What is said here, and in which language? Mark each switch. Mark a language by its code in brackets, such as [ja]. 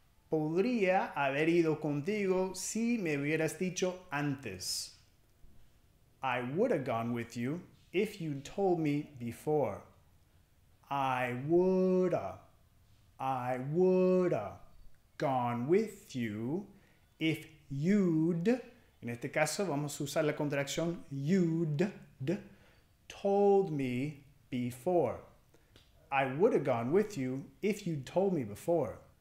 [es] Podría haber ido contigo si me hubieras dicho antes. [en] I would have gone with you if you told me before. I would have. I would have gone with you if you'd. [es] En este caso vamos a usar la contracción you'd. [en] Told me before. I would have gone with you if you'd told me before.